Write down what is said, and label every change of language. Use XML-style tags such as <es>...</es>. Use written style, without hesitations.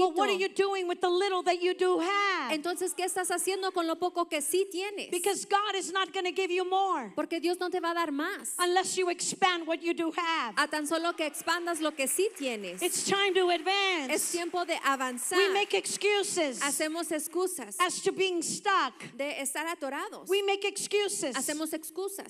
<en>Well, what are you doing with the little that you do have?</en> <es>Entonces, ¿qué estás haciendo con lo poco que sí tienes?</es> <en>Because God is not going to give you more,</en> <es>porque Dios no te va a dar más,</es> <en>unless you expand what you do have,</en> <es>a tan solo que expandas lo que sí tienes.</es> <en>It's time to advance,</en> <es>es tiempo de avanzar.</es> <en>We make excuses,</en> <es>hacemos excusas,</es> <en>as to being stuck,</en> <es>de estar atorados.</es> <en>We make excuses,</en> <es>hacemos excusas,</es>